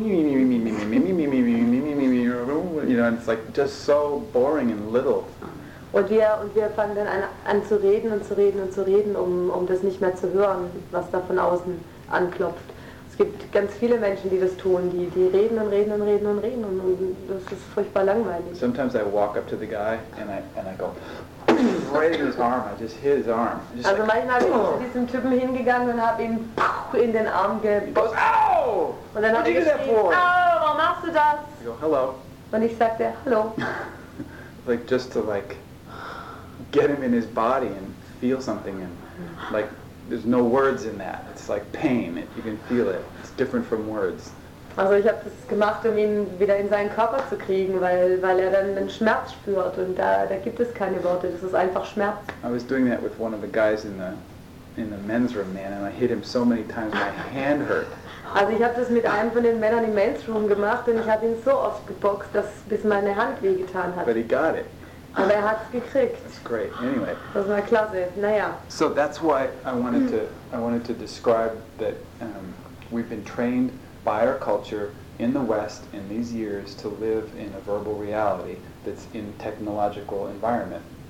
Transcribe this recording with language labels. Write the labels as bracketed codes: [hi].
[en] You know, and it's like just so boring and little. [de] Und wir fangen dann an zu reden und zu reden und zu reden, um das nicht mehr zu hören, was da von außen anklopft. Es gibt ganz viele Menschen, die das tun, die reden und reden und reden und reden, und das ist furchtbar langweilig. [en] Sometimes I walk up to the guy and I go right in his arm. I just hit his arm. Just [de] also like, manchmal bin ich zu diesem Typen hingegangen und habe ihn in den Arm gebockt. Und dann habe ich gesagt, warum machst du das? [en] I go, hello. [de] Und ich sagte, hallo. [en] Like just to like get him in his body and feel something, and like there's no words in that. It's like pain. You can feel it. It's different from words. [de] Also ich habe das gemacht, um ihn wieder in seinen Körper zu kriegen, weil er dann einen Schmerz spürt, und da gibt es keine Worte. Das ist einfach Schmerz. [en] I was doing that with one of the guys in the men's room, man, and I hit him so many times my hand hurt. [de] Also ich habe das mit einem von den Männern im [en] men's room [de] gemacht, und ich habe ihn so oft geboxt, bis meine Hand weh getan hat. [en] But he got it. [de] Aber er hat es gekriegt. [en] That's great. Anyway. [de] Das war klasse. Naja. [en] So that's why I wanted to describe that we've been trained by our culture in the West in these years to live in a verbal reality that's in technological environment.